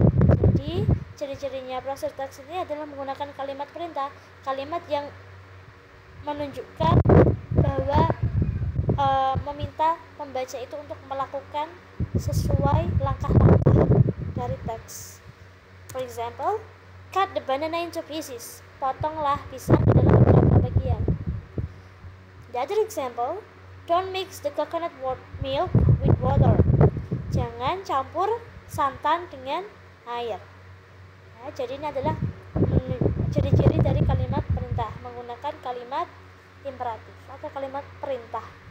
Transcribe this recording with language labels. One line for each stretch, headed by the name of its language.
Indonesian: Jadi ciri-cirinya procedure text ini adalah menggunakan kalimat perintah, kalimat yang menunjukkan bahwa meminta pembaca itu untuk melakukan sesuai langkah-langkah dari teks.
English: For example, cut the banana into pieces.
Indonesian: Potonglah pisang ke dalam beberapa bagian.
English: The other example, don't mix the coconut milk with water.
Indonesian: Jangan campur santan dengan air. Nah, jadi ini adalah ciri-ciri dari kalimat perintah, menggunakan kalimat imperatif atau kalimat perintah.